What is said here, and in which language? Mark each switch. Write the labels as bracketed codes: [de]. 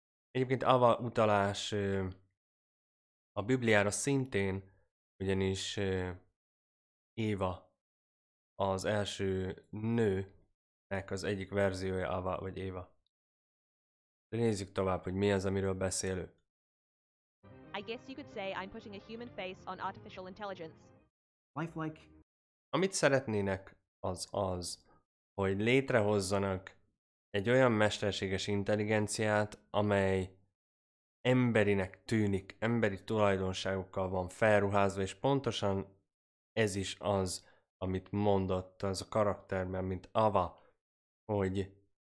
[hu] Egyébként Ava utalás a Bibliára szintén, ugyanis Éva az első nőnek az egyik verziója Ava vagy Éva. De nézzük tovább, hogy mi az, amiről beszélő. [en] I guess you could say I'm putting a human face on artificial intelligence. Lifelike. [hu] Amit szeretnének, az az, hogy létrehozzanak egy olyan mesterséges intelligenciát, amely emberinek tűnik, emberi tulajdonságokkal van felruházva, és pontosan ez is az, amit mondott az a karakterben, mint Ava, hogy